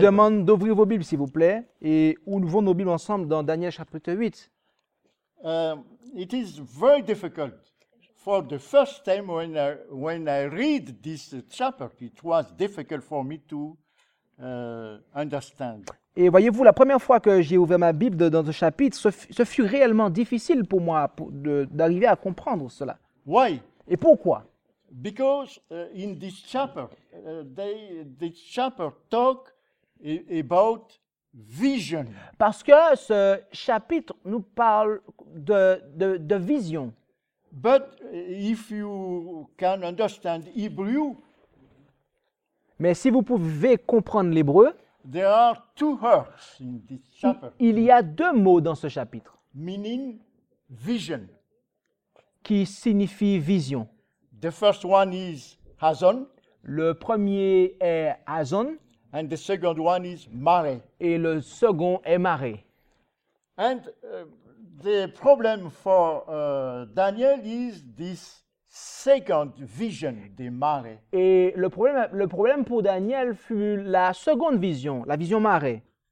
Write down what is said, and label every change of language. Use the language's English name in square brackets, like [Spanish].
[French] demande d'ouvrir vos Bibles, s'il vous plaît, et où nous voulons nos Bibles ensemble dans Daniel chapitre 8. [English] It is very difficult for the first time when I read this chapter. It was difficult for me to understand. [French] Et voyez-vous, la première fois que j'ai ouvert ma Bible dans ce chapitre, ce fut réellement difficile pour moi d'arriver à comprendre cela. [English] Why? [French] Et pourquoi? [English] Because in this chapter, this chapter talk about vision. [French] Parce que ce chapitre nous parle de vision. [English] But if you can understand Hebrew, [French] Mais si vous pouvez comprendre l'hébreu, [English] there are two words in this chapter, [French] il y a deux mots dans ce chapitre [English] meaning vision. [French] qui signifient vision. [English] The first one is hazon, [French] Le premier est hazon. [English] and the second one is mare. [French] Et le second est marée. [English] And the problem for Daniel is this second vision, the mare. [French] Et le problème pour Daniel fut la seconde vision, la vision marée.